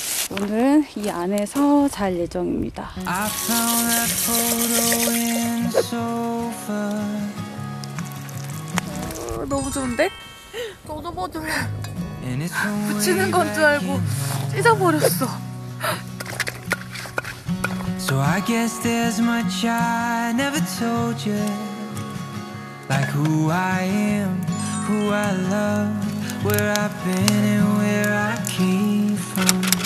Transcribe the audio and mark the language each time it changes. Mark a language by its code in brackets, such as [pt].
[ko] 오늘은 이 안에서 잘 예정입니다. [en] I found that photo in the sofa. [ko] 너무 좋은데? 저도 보자. 붙이는 건 줄 알고 찢어버렸어. [en] So I guess there's much I never told you. Like who I am, who I love, where I've been and where I came from.